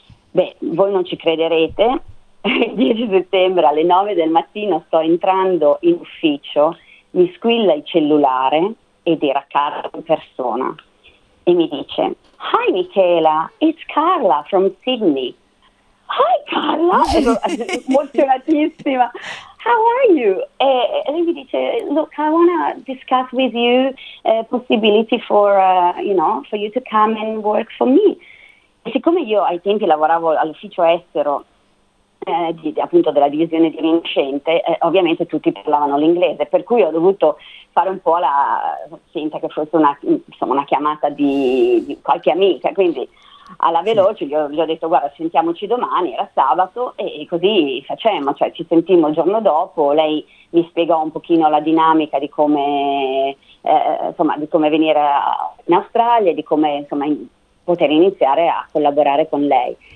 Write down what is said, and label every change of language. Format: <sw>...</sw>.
<it>Beh, voi non ci crederete, il 10 settembre alle 9 del mattino sto entrando in ufficio, mi squilla il cellulare ed era Carla in persona e mi dice,</it> <en>hi Michela, it's Carla from Sydney. Hi Carla,</en> <it>emozionatissima,</it> <en>how are you?</en> <it>E lei mi dice,</it> <en>look, I want to discuss with you a possibility for you to come and work for me.</en> <it>E siccome io ai tempi lavoravo all'ufficio estero, appunto della divisione di Vincente, ovviamente tutti parlavano l'inglese, per cui ho dovuto fare un po' la finta che fosse una chiamata di qualche amica, quindi alla veloce gli ho detto, guarda, sentiamoci domani, era sabato, e così facemmo, cioè ci sentimmo il giorno dopo, lei mi spiegò un pochino la dinamica di come di come venire in Australia, di come insomma poter iniziare a collaborare con lei.</it>